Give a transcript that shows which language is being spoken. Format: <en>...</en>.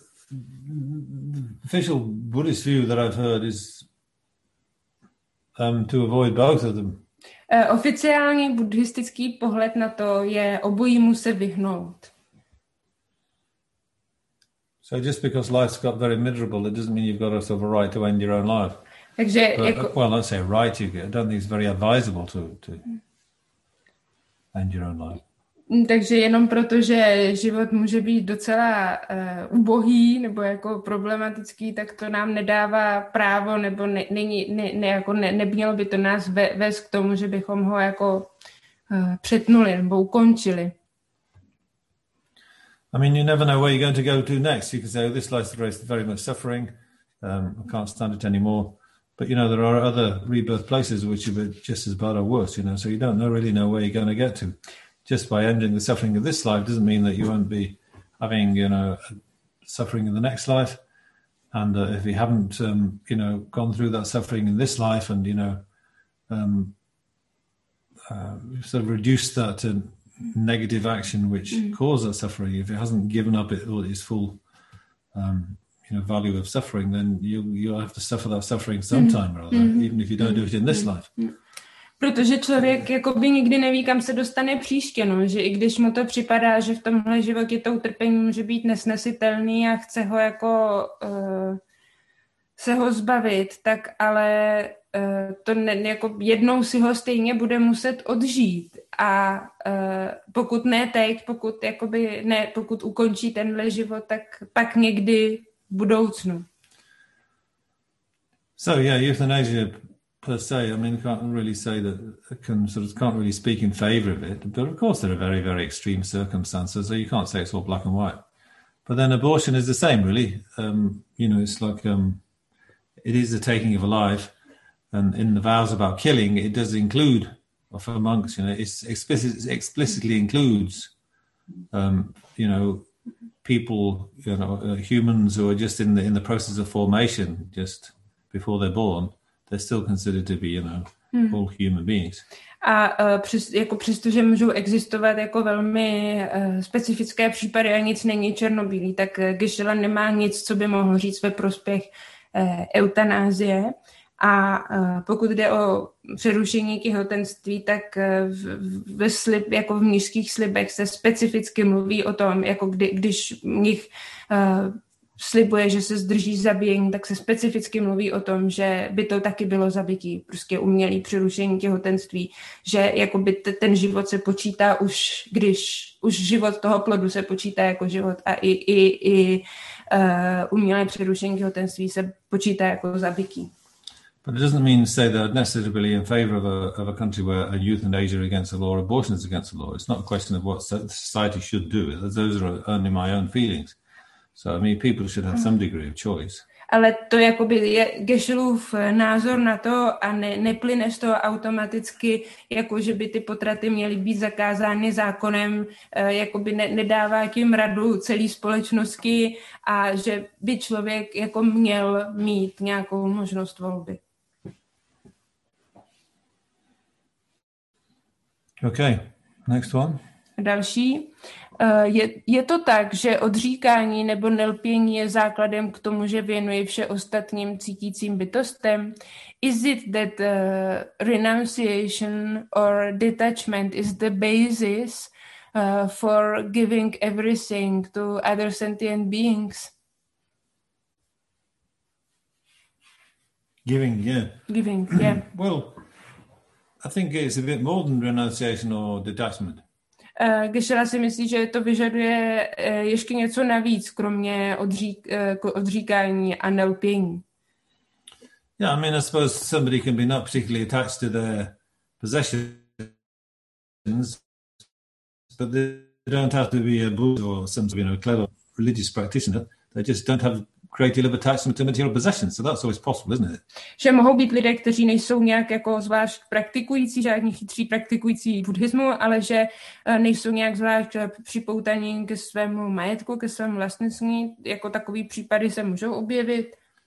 <en>The official Buddhist view that I've heard is to avoid both of them.</en> <cs>Oficiální buddhistický pohled na to je obojímu se vyhnout.</cs> <en>So just because life's got very miserable, it doesn't mean you've got a sort of right to end your own life.</en> <cs>Takže,</cs> <en>let's say right, I don't think it's very advisable to end your own life.</en> <cs>Takže jenom proto, že život může být docela ubohý nebo jako problematický, tak to nám nedává právo nebo nemělo by to nás vést k tomu, že bychom ho jako přetnuli nebo ukončili.</cs> <en>I mean, you never know where you're going to go to next. You can say, oh, this life is very much suffering. I can't stand it anymore. But, you know, there are other rebirth places which are just as bad or worse, you know. So you don't really know where you're going to get to. Just by ending the suffering of this life doesn't mean that you won't be having, you know, suffering in the next life. And if you haven't, you know, gone through that suffering in this life and, you know, sort of reduced that to negative action which caused that suffering, if it hasn't given up its full, you know, value of suffering, then you'll have to suffer that suffering sometime or other, even if you don't do it in this life.</en> <cs>Protože člověk jakoby nikdy neví, kam se dostane příště, no, že i když mu to připadá, že v tomhle životě to utrpení může být nesnesitelný a chce ho jako se ho zbavit, tak ale to jako jednou si ho stejně bude muset odžít. A pokud ne teď, pokud ukončí tenhle život, tak pak někdy v budoucnu.</cs> <en>So yeah, euthanasia per se, I mean, can't really say that, can't really speak in favor of it, but of course there are very, very extreme circumstances, so you can't say it's all black and white. But then abortion is the same, really. You know, it's like, it is the taking of a life, and in the vows about killing, it does include, for monks, you know, it explicitly includes, you know, people, you know, humans who are just in the process of formation, just before they're born. They're still considered to be, you know, all human beings.</en> <cs>A přestože můžou existovat jako velmi specifické případy a nic není černobílý, tak Geshe-la nemá nic, co by mohl říct ve prospěch eutanázie. A pokud jde o přerušení těhotenství, tak v mnišských slibech se specificky mluví o tom, jako když mnich slibuje, že se zdrží zabíjení, tak se specificky mluví o tom, že by to taky bylo zabití, prostě umělý přerušení těhotenství, že jakoby ten život se počítá už, když už život toho plodu se počítá jako život a i umělé přerušení těhotenství se počítá jako zabití.</cs> <en>But it doesn't mean to say that necessarily in favor of a country where a euthanasia is against the law or abortion is against the law. It's not a question of what society should do. Those are only my own feelings. So I mean, people should have some degree of choice.</en> <cs>Ale to jakoby je Geshe-lův názor na to a neplyne z toho automaticky, jako že by ty potraty měly být zakázány zákonem, jakoby nedává tím radu celý společnosti a že by člověk jako měl mít nějakou možnost volby.</cs> <en>Okay, next one.</en> <cs>Další. Je to tak, že odříkání nebo nelpění je základem k tomu, že věnuji vše ostatním cítícím bytostem?</cs> <en>Is it that renunciation or detachment is the basis for giving everything to other sentient beings? Giving, yeah. Well, I think it's a bit more than renunciation or detachment.</en> <cs>Geshe-la si myslí, že to vyžaduje ještě něco navíc, kromě odříkání a nelpění.</cs> <en>Yeah, I mean, I suppose somebody can be not particularly attached to their possessions. sins, but they don't have to be a Buddha or some, you know, clever religious practitioner. They just don't have great deal of attachment to material possessions, so that's always possible, isn't it?</en> <cs>Že mohou být lidé, kteří nejsou nějak jako zvlášť praktikující, žádní chytří praktikující buddhismu, ale že nejsou nějak zvlášť připoutaní ke svému majetku, ke svému vlastnictví, jako takový případy se můžou objevit.</cs>